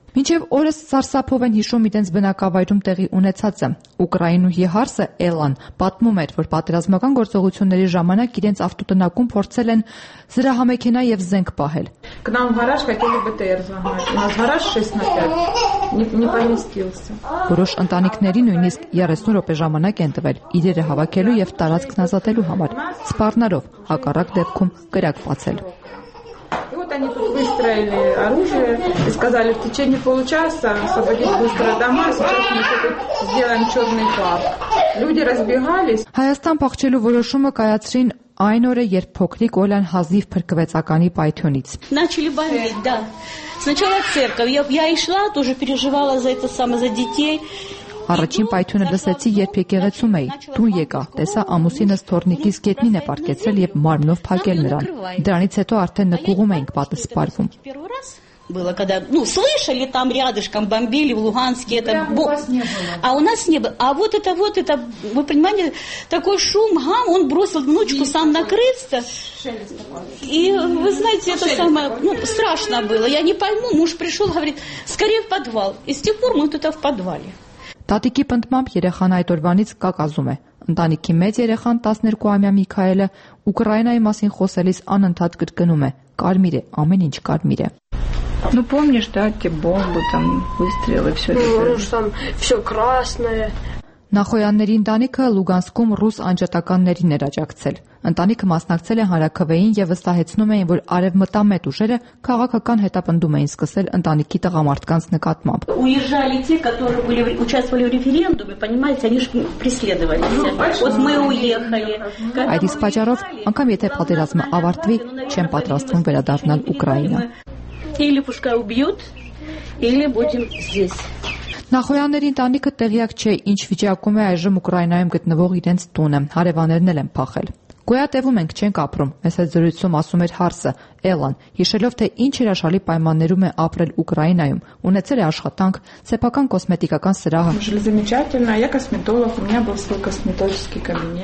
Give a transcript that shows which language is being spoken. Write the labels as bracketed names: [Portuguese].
[Armenian] Մինչև օրս սարսափով են հիշում իրենց բնակավայրում տեղի ունեցածը։ Ուկրաինուհի հարսը Էլան պատմում էր, որ պատերազմական գործողությունների ժամանակ իրենց ավտոտնակում փորձել են զրահամեքենա եւ զենք պահել։ Կնամ վարաշ վետելու բտեր զահար։ Նաս վարաշ 16-ը։ [Russian] Не понимаю. [Armenian] Որոշ ընտանիքների նույնիսկ 30 րոպե ժամանակ են տվել իրերը հավաքելու եւ տարածքն ազատելու համար։ Սպառնարով հակառակ դեպքում կրակ բացել։ [Russian] Они тут выстроили оружие и сказали, в течение получаса освободить быстро дома, сейчас мы сделаем черный флаг. Люди разбегались. [Armenian] Հայաստան փախչելու որոշումը կայացրին այն օրը, երբ փոքրիկ Օլան հազիվ փրկվեց ականի պայթյունից։ [Russian] Начали бомбить, да. Сначала церковь. Я и шла, тоже переживала за это самое, за детей. [Armenian] Առաջին պայթյունը լսեցի, երբ եկեղեցում էի։ Տուն եկա, տեսա ամուսինս թորնիկից գետնին է պարկեցել եւ մարմնով փակել նրան։ Դրանից հետո արդեն նկուղում էինք պատը սպարվում։ [Russian] Было когда, ну, слышали там рядышком бомбили в Луганске это. Бо... У вас не было. А у нас не было. А вот это вы понимаете, такой шум, гам, он бросил внучку и сам накрыться. И вы знаете, это самое, ну, страшно было. Я не пойму, муж пришёл, говорит: "Скорее в подвал". И с тех пор мы тут в подвале. [Armenian] Տատիկի պնդմամբ երեխան այդ օրվանից կակազում է։ Ընտանիքի մեծ երեխան 12-ամյա Միքայելը Ուկրաինայի մասին խոսելիս անընդհատ կրկնում է. «Կարմիր է, ամեն ինչ կարմիր է»։ [Russian] Ну помнишь, да, те бомбы там, выстрелы, всё это. Ну, уж там всё красное. [Armenian] Նախոյանների ընտանիքը Լուգանսկում ռուս անջատականներին էր աջակցել։ Ընտանիքը մասնակցել է հանրաքվեին եւ վստահեցնում էին, որ արևմտամետ ուժերը քաղաքական հետապնդում էին սկսել ընտանիքի տղամարդկանց նկատմամբ։ [Russian] Уезжали те, которые были участвовали в референдуме, понимаете, они же преследовались. Вот мы уехали. [Armenian] Այդ իսկ պատճառով, անկամ եթե պատերազմը ավարտվի, չեմ պատրաստվում վերադառնալ Ուկրաինա։ [Russian] Или пускай убьют, или будем здесь. [Armenian] Նախոյաների ընտանիքը տեղյակ չէ, ինչ վիճակում է այժմ Ուկրաինայում գտնվող իրենց տունը։ Հարևաններն էլ են փախել։ Գոյատևում ենք, չենք ապրում, մեզ հետ զրույցում ասում էր հարսը Էլան, հիշելով թե ինչ հրաշալի պայմաններում է ապրել Ուկրաինայում, ունեցել է աշխատանք, սեփական կոսմետիկական սրահ։